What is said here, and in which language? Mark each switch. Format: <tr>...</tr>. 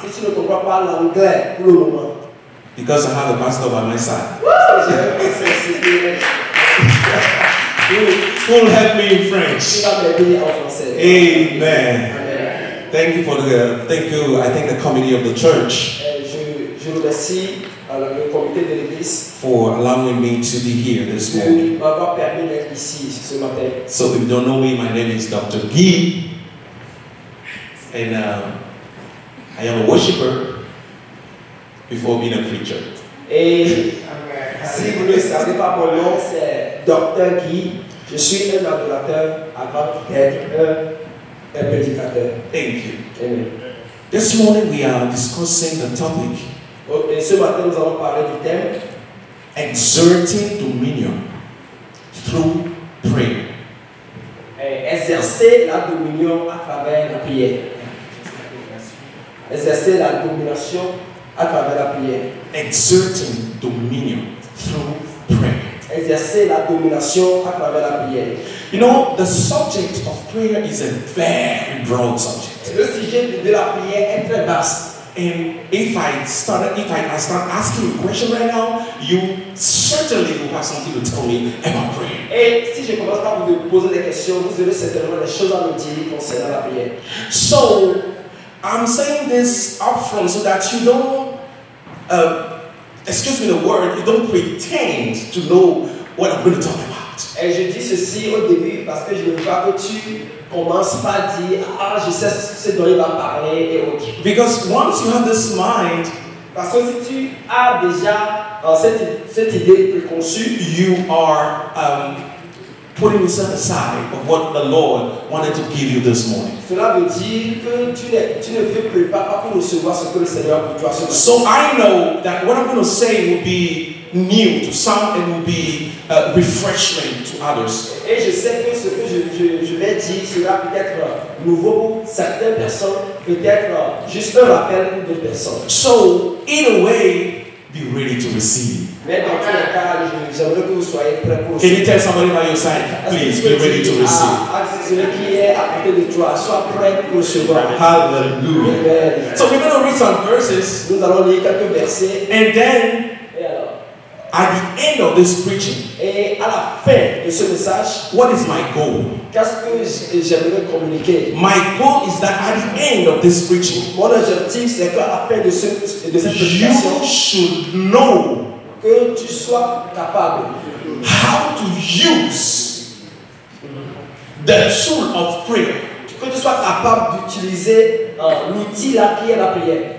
<fr>Si tu ne comprends pas l'anglais pour le moment.</fr> <en>Because I have a pastor by my side. Who will help me in French? Amen. Thank you for the thank you. I thank the committee of the church.</en> <fr>Je remercie le comité de l'église</fr> <en>for allowing me to be here this morning.</en> <fr>M'avoir permis d'être ici ce matin.</fr> <en>So if you don't know me, my name is Dr. Guy. And I am a worshipper before being a preacher.</en> <fr>Si vous ne savez pas mon nom, c'est Dr. Guy. Je suis un adorateur avant d'être un prédicateur.</fr> <en>Thank you. Amen. This morning we are discussing the topic.</en> <fr>Okay, ce matin nous allons parler du thème.</fr> <en>Exerting dominion through prayer.</en> <fr>Exercer la dominion à travers la prière. Exercer la domination à travers la prière.</fr> <en>Exerting dominion through prayer.</en> <fr>Exercer la domination à travers la prière.</fr> <en>You know, the subject of prayer is a very broad subject.</en> <fr>Le sujet de la prière est très vaste.</fr> <en>And if I start asking a question right now, you certainly will have something to tell me about prayer.</en> <fr>Et si je commence par vous poser des questions, vous aurez certainement des choses à me dire concernant la prière.</fr> <en>So, I'm saying this up front so that you don't, excuse me the word, you don't pretend to know what I'm going to talk about.</en> <fr>Et je dis ceci au début parce que je ne veux pas que tu commence pas à dire ah je sais ce dont il va parler et autres.</fr> <en>Because once you have this mind,</en> <fr>parce que si tu as déjà cette idée préconçue,</fr> <en>you are putting yourself aside of what the Lord wanted to give you this morning.</en> <fr>Cela veut dire que tu ne veux pas pour recevoir ce que le Seigneur a pour toi.</fr> <en>So I know that what I'm going to say will be new to some and will be refreshing to others.</en> <fr>Et je sais que ce que je vais dire sera peut-être nouveau pour certaines personnes, peut-être juste un rappel pour d'autres personnes.</fr> <en>So, in a way, be ready to receive.</en> <fr>Mais dans tous les cas, j'aimerais que vous soyez prêts pour recevoir.</fr> <en>Can you tell somebody by your side, please, be ready to receive.</en> <fr>Celui qui est à côté de toi, sois prêt pour recevoir.</fr> <en>Hallelujah. So, we're going to read some verses.</en> <fr>Nous allons lire quelques versets.</fr> <en>And then, at the end of this preaching,</en> <fr>et à la fin de ce message,</fr> <en>what is my goal?</en> <fr>Qu'est-ce que j'aimerais communiquer?</fr> <en>My goal is that at the end of this preaching,</en> <fr>mon objectif c'est que à la fin de cette prédication,</fr> <en>you should know</en> <fr>que tu sois capable</fr> <en>how to use the tool of prayer,</en> <fr>que tu sois capable d'utiliser l'outil là qui est la prière.</fr>